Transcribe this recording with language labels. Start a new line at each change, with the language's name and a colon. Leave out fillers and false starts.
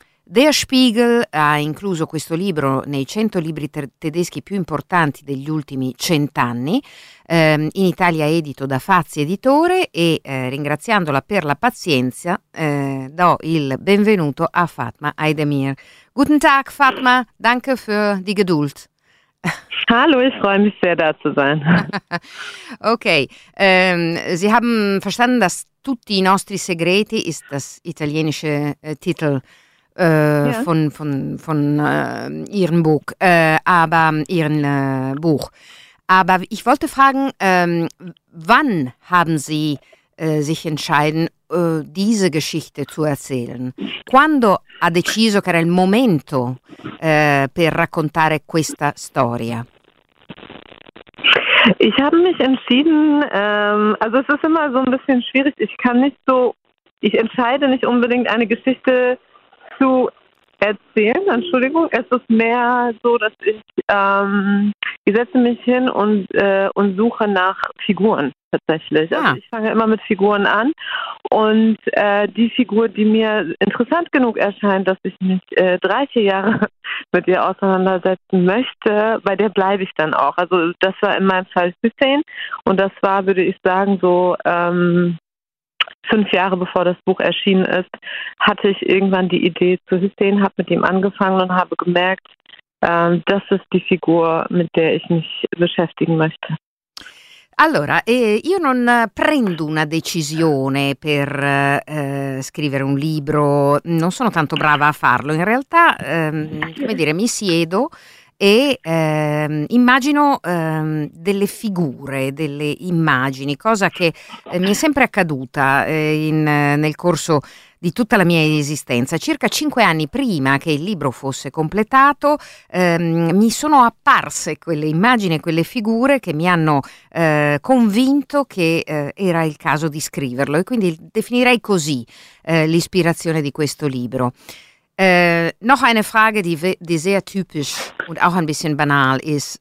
Italian: Der Spiegel ha incluso questo libro nei 100 libri tedeschi più importanti degli ultimi 100 anni, in Italia edito da Fazzi Editore, e ringraziandola per la pazienza do il benvenuto a Fatma Aydemir.
German: Guten Tag Fatma, danke für die Geduld. Hallo, ich freue mich sehr, da zu sein. Okay, Sie haben verstanden, dass tutti i nostri segreti ist das italienische Titel Ihrem Buch, aber Ihrem Buch. Aber ich wollte fragen, wann haben Sie sich entschieden, diese Geschichte zu erzählen?
Italian: Quando ha deciso che era il momento per raccontare questa storia?
German: Ich habe mich entschieden, also es ist immer so ein bisschen schwierig, ich entscheide nicht unbedingt eine Geschichte zu erzählen, Entschuldigung, es ist mehr so, dass ich setze mich hin und suche nach Figuren tatsächlich. Ja. Also ich fange immer mit Figuren an und die Figur, die mir interessant genug erscheint, dass ich mich 30 Jahre mit ihr auseinandersetzen möchte, bei der bleibe ich dann auch. Also das war in meinem Fall 15 und das war, würde ich sagen, so 5 Jahre bevor das Buch erschienen ist, hatte ich irgendwann die Idee zu Hussein, habe mit ihm angefangen und habe gemerkt, das ist die Figur, mit der ich mich beschäftigen möchte.
Italian: Allora, io non prendo una decisione per scrivere un libro, non sono tanto brava a farlo. In realtà, come dire, mi siedo e immagino delle figure, delle immagini, cosa che mi è sempre accaduta nel corso di tutta la mia esistenza. Circa 5 anni prima che il libro fosse completato mi sono apparse quelle immagini e quelle figure che mi hanno convinto che era il caso di scriverlo, e quindi definirei così l'ispirazione di questo libro.
German: Noch eine Frage, die sehr typisch und auch ein bisschen banal ist.